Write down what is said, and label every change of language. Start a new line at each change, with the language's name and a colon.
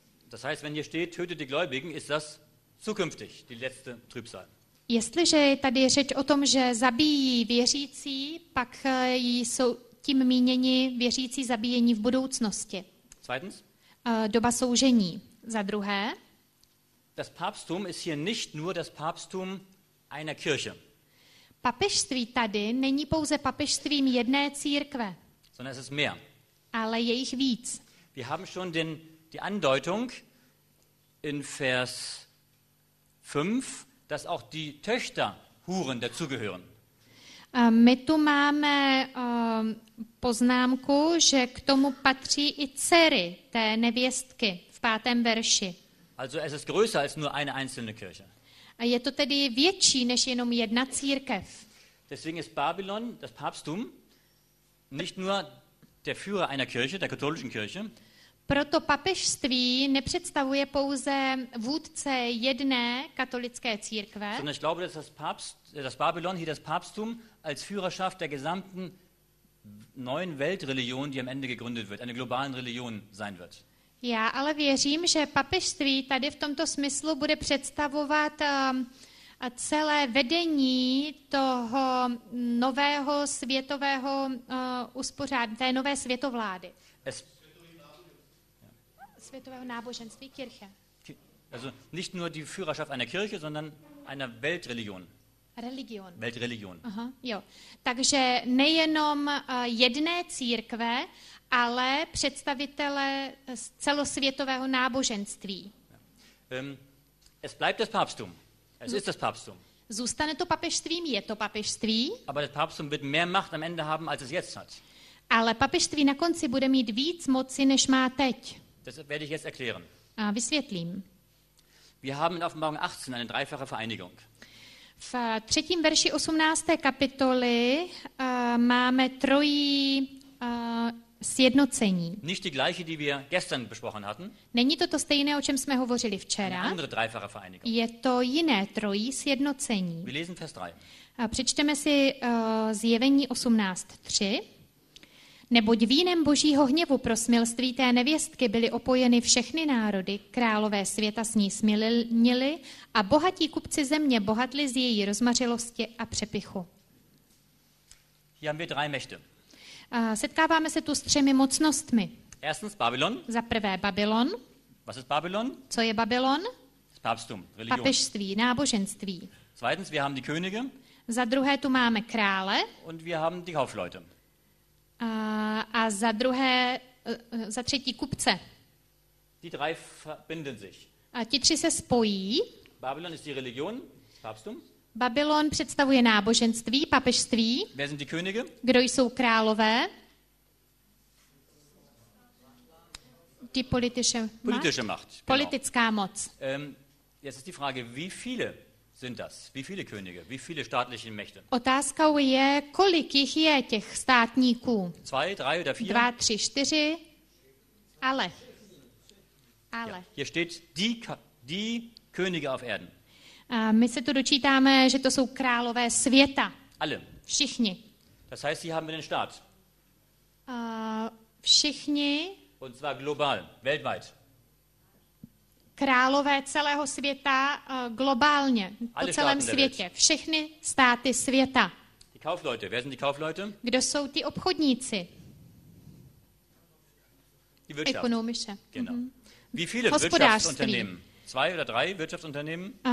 German: Das heißt, wenn hier steht, tötet die Gläubigen, ist das zukünftig, die letzte Trübsal.
Czech: Jestliže je tady řeč o tom, že zabíjí věřící, pak jsou tím míněni věřící zabíjení v budoucnosti.
German: Zweitens.
Czech: Doba soužení. Za druhé.
German: Das Papsttum ist hier nicht nur das Papsttum einer Kirche.
Czech: Papežství tady není pouze papežstvím jedné církve.
German: Sondern es ist mehr.
Czech: Ale je jich víc.
German: Wir haben schon die Andeutung in Vers 5. Dass auch die Töchter Huren dazugehören.
Czech: My tu máme poznámku, že k tomu patří i dcery té nevěstky v pátém verši.
German: Also es ist größer als nur eine einzelne Kirche.
Czech: A je to tedy větší než jenom jedna církev.
German: Deswegen ist Babylon, das Papsttum, nicht nur der Führer einer Kirche, der katholischen Kirche.
Czech: Proto papežství nepředstavuje pouze vůdce jedné katolické církve.
German: Sondern ich glaube, dass das Babylon hier das Papsttum als Führerschaft der gesamten neuen Weltreligion, die am Ende gegründet wird, eine globalen Religion sein wird.
Czech: Já ale věřím, že papežství tady v tomto smyslu bude představovat celé vedení toho nového světového uspořádání, té nové světovlády. Světového náboženství, kirche.
German: Also nicht nur die Führerschaft einer Kirche, sondern einer Weltreligion. Religion. Weltreligion.
Czech: Aha, jo. Takže nejenom jedné církve, ale představitele celosvětového náboženství.
German: Es bleibt das Papsttum. Es ist das Papsttum.
Czech: Zůstane to papežstvím, je to papežství.
German: Aber das Papsttum wird mehr Macht am Ende haben, als es jetzt hat.
Czech: Ale papežství na konci bude mít víc moci, než má teď.
German: Das werde ich jetzt erklären.
Czech: Vysvětlím.
German: Wir haben in Offenbarung 18 eine dreifache Vereinigung.
Czech: V třetím verši 18. kapitoly máme trojí sjednocení.
German: Nicht die gleiche, die wir gestern besprochen hatten.
Czech: Není to stejné, o čem jsme hovořili včera.
German: Eine andere dreifache Vereinigung.
Czech: Je to jiné trojí sjednocení.
German: Wir lesen Vers 3.
Czech: Přečteme si Zjevení 18.3. Neboť vínem božího hněvu pro smilství té nevěstky byly opojeny všechny národy, králové světa s ní smilnili a bohatí kupci země bohatli z její rozmařilosti a přepichu.
German: Hier haben wir drei Mächte.
Czech: Setkáváme se tu s třemi mocnostmi.
German: Erstens Babylon.
Czech: Za prvé Babylon.
German: Was ist Babylon?
Czech: Co je Babylon?
German: Papsttum, religion.
Czech: Papežství, náboženství.
German: Zweitens, wir haben die Könige.
Czech: Za druhé tu máme krále.
German: Und wir haben die Kaufleute.
Czech: A za druhé, za třetí kupce.
German: Die drei verbinden sich.
Czech: A ti tři se spojí.
German: Babylon ist die Religion, Papsttum.
Czech: Babylon představuje náboženství, papežství.
German: Wer sind die Könige?
Czech: Kdo jsou králové?
German: Die politische Macht. Politische Macht, genau.
Czech: Politická moc.
German: Jetzt ist die Frage, wie viele sind das? Wie viele Könige? Wie viele staatliche Mächte?
Czech: Otázkou je, kolik jich je těch státníků? Zwei, drei oder vier? Dva, tři, čtyři. Ale. Ale.
German: Ja. Hier steht die Könige auf Erden.
Czech: My se tu dočítáme, že to jsou králové světa.
German: Alle.
Czech: Všichni.
German: Das heißt, sie haben den Staat.
Czech: Všichni.
German: Und zwar global, weltweit.
Czech: Králové celého světa globálně, po celém světě. Všechny státy světa.
German: Die Kaufleute, wer sind die Kaufleute?
Czech: Kdo jsou ty obchodníci?
German: Die Wirtschaft. Ökonomische. Genau. Mhm. Wie viele Wirtschaftsunternehmen? Zwei oder drei Wirtschaftsunternehmen?